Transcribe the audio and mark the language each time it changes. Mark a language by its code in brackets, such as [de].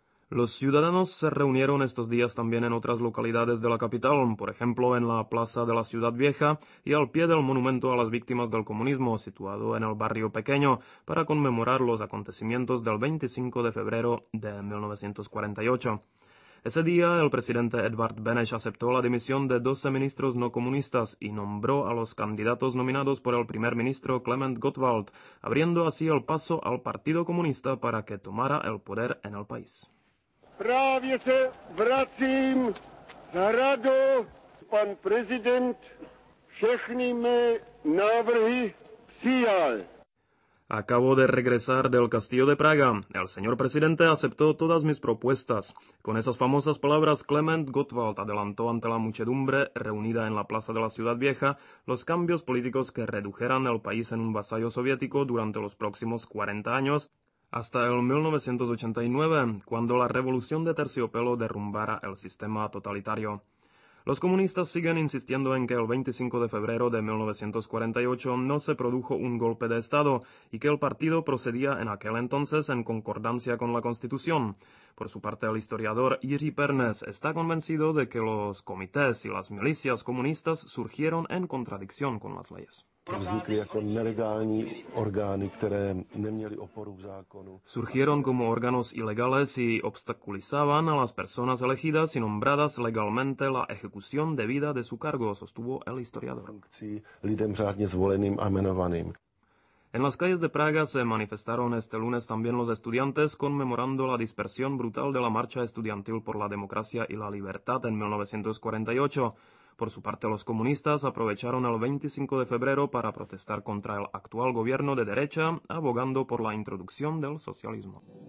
[es] Los ciudadanos se reunieron estos días también en otras localidades de la capital, por ejemplo en la Plaza de la Ciudad Vieja y al pie del Monumento a las Víctimas del Comunismo, situado en el Barrio Pequeño, para conmemorar los acontecimientos del 25 de febrero de 1948. Ese día, el presidente Edvard Beneš aceptó la dimisión de 12 ministros no comunistas y nombró a los candidatos nominados por el primer ministro Klement Gottwald, abriendo así el paso al Partido Comunista para que tomara el poder en el país. [cs] Právě se vracím za radu, pan prezident všechny mé návrhy přijal. [es] Acabo de regresar del Castillo de Praga. El señor presidente aceptó todas mis propuestas. Con esas famosas palabras, Klement Gottwald adelantó ante la muchedumbre reunida en la Plaza de la Ciudad Vieja los cambios políticos que redujeran el país en un vasallo soviético durante los próximos 40 años, hasta el 1989, cuando la revolución de terciopelo derrumbara el sistema totalitario. Los comunistas siguen insistiendo en que el 25 de febrero de 1948 no se produjo un golpe de Estado y que el partido procedía en aquel entonces en concordancia con la Constitución. Por su parte, el historiador Jiří Pernes está convencido de que los comités y las milicias comunistas surgieron en contradicción con las leyes. [cs] vznikly jako nelegální orgány, které neměly oporu v zákonu. [es] Surgieron como órganos ilegales y obstaculizaban a las personas elegidas y nombradas legalmente la ejecución debida de su cargo, sostuvo el historiador. [cs] Funkcí lidem řádně zvoleným a jmenovaným. [es] En las calles de Praga se manifestaron este lunes también los estudiantes conmemorando la dispersión brutal de la marcha estudiantil por la democracia y la libertad en 1948. Por su parte, los comunistas aprovecharon el 25 de febrero para protestar contra el actual gobierno de derecha, abogando por la introducción del socialismo.